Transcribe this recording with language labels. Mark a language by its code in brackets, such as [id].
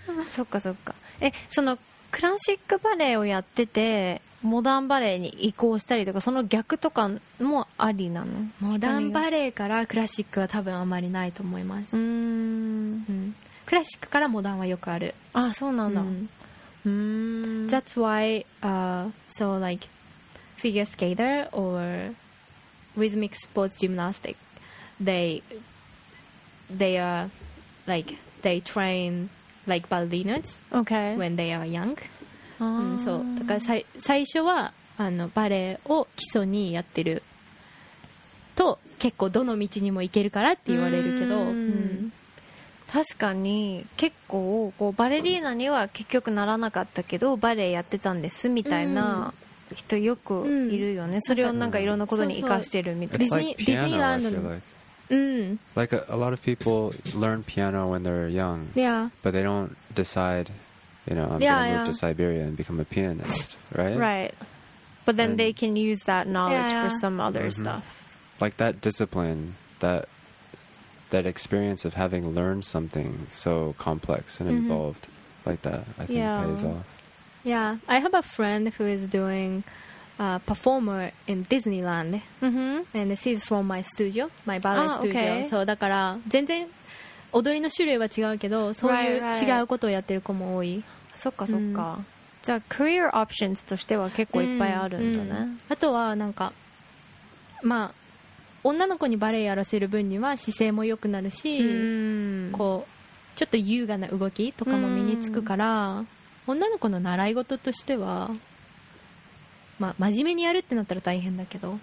[ja] そっかそっか。え、そのクラシックバレエをやっててモダンバレエに移行したりとか、その逆とかもありなの？モダンバレエからクラシックは多分あまりないと思います。クラシックからモダンはよくある。あ、そうなんだ。 [en] That's why so likeFigure skater or rhythmic sports gymnastic, they are like they train like ballerinas. Okay. When they are young. Oh. [ja] So, だから最初はあのバレエを基礎にやってると結構どの道にも行けるからって言われるけど。確かに結構こうバレリーナには結局ならなかったけどバレエやってたんですみたいな。人よくいるよね、うん、それをなんかいろんなことに生かしてるみたいな。 [en] It's like piano, ディズニーランドの、like. [ja] うん、 [en] like a lot of people learn piano when they're young. Yeah. But they don't decide, you know, I'm going to move to Siberia and become a pianist, right? Right. But then they can use that knowledge for some other stuff. Like that discipline, that experience of having learned something so complex and involved like that, I think pays off. Yeah, I have a friend who is doing a performer in Disneyland. And she's from my studio, my ballet studio. [ja] So, だから全然踊りの種類は違うけど、そういう違うことをやってる子も多い。そっかそっか。じゃあ、 [en] career options [ja] としては結構いっぱいあるんだね。あとはなんか、まあ、女の子にバレエやらせる分には姿勢も良くなるし、こう、ちょっと優雅な動きとかも身につくから、女の子の習い事としては、まあ、真面目にやるってなったら大変だけど。